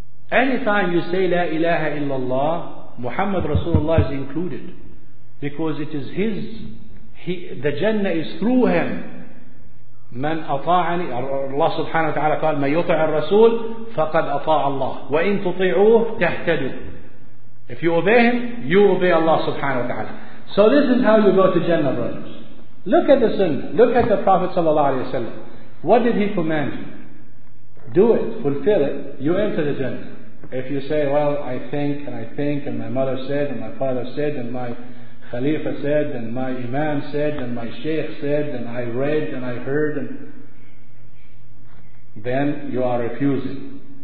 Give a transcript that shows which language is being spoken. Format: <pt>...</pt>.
<en>Anytime you say</en> <ar>لا إله إلا الله,</ar> <en>Muhammad Rasulullah is included. Because it is his, the Jannah is through him.</en> <ar>من أطاعني, الله سبحانه وتعالى قال من يطع الرسول فقد أطاع الله وإن تطيعوه تهتدوا.</ar> <en>If you obey him, you obey Allah subhanahu wa ta'ala. So this is how you go to Jannah, brothers. Look at the sunnah. Look at the Prophet sallallahu alayhi wa sallam. What did he command you? Do it. Fulfill it. You enter the Jannah. If you say, well, I think, and my mother said, and my father said, and my Khalifa said, and my Imam said, and my Shaykh said, and I read, and I heard, and then you are refusing.</en>